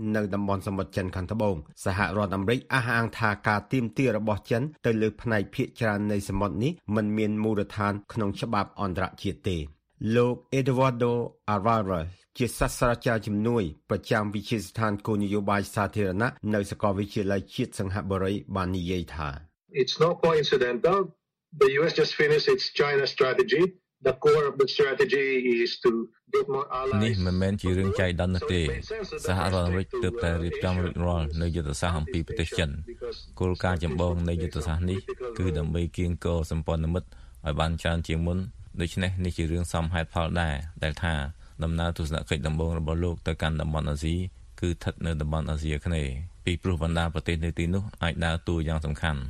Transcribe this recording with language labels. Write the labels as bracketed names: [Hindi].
[Khmer] នៅតំបន់សមុទ្រចិនខាងត្បូងសហរដ្ឋអាមេរិកអះអាងថាការទាមទាររបស់ចិនទៅលើផ្នែកភាគច្រើននៃសមុទ្រនេះមិនមានមូលដ្ឋានក្នុងច្បាប់អន្តរជាតិទេលោក Eduardo Arara ជាសាស្ត្រាចារ្យជំនួយប្រចាំវិទ្យាស្ថានគោលនយោបាយសាធារណៈនៅសាកលវិទ្យាល័យជាតិសិង្ហបុរីបាននិយាយថា [English] It's not coincidental. The US just finished its China strategy. The core of the strategy is to get more allies. [Khmer] នេះមិនមែនជារឿងចៃដន្យនោះទេ សហរដ្ឋអាមេរិកទើបតែរៀបចំរួចរាល់នៅយុទ្ធសាស្ត្រអំពីប្រទេសចិន គោលការណ៍ចម្បងនៃយុទ្ធសាស្ត្រនេះគឺដើម្បីគៀងគរសម្ព័ន្ធមិត្តឲ្យបានច្រើនជាងមុនដូច្នេះនេះជារឿងសមហេតុផលដែរដែលថាដំណើរទស្សនកិច្ចដំបូងរបស់លោកទៅកាន់តំបន់អាស៊ីគឺស្ថិតនៅតំបន់អាស៊ីអាគ្នេយ៍ពីព្រោះបណ្ដាប្រទេសនៅទីនោះអាចដើរតួយ៉ាងសំខាន